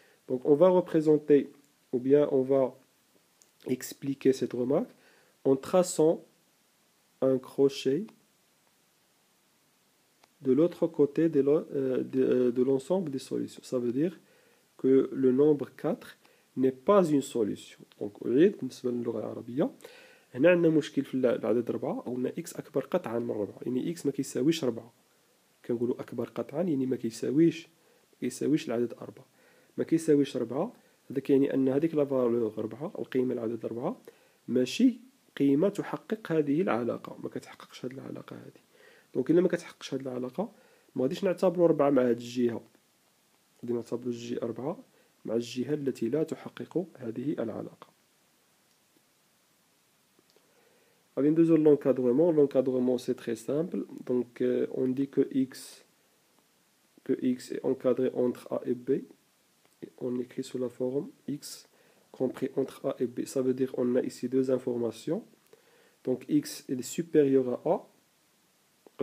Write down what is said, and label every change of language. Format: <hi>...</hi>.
<fr>Donc on va représenter, ou bien on va expliquer cette remarque en traçant un crochet de l'autre côté de l'ensemble des solutions. Ça veut dire que le nombre 4 n'est pas une solution.</fr> <ar>Donc, بالنسبة للغة العربية, هنا عندنا مشكل في العدد 4 أو أن x أكبر قطعا من 4, يعني x ما كيساويش 4. كنقولوا أكبر قطعا يعني ما كيساويش العدد 4. ما كيساويش 4, هذاك يعني أن هذيك لا فالور 4, القيمة العدد 4 ماشي قيمة تحقق هذه العلاقة, ما كتحققش هذه العلاقة هذه. دونك إلا ما كتحققش هذه العلاقة ما غاديش نعتبروا 4 مع هذه الجهة. غادي نعتبروا الجهة 4 مع الجهة التي لا تحقق هذه العلاقة.</ar> <fr>Alors, une deuxième encadrement. L'encadrement, c'est très simple. Donc, on dit que x est encadré entre A et B. Et on écrit sous la forme x compris entre A et B. Ça veut dire qu'on a ici deux informations. Donc, x est supérieur à A.</fr>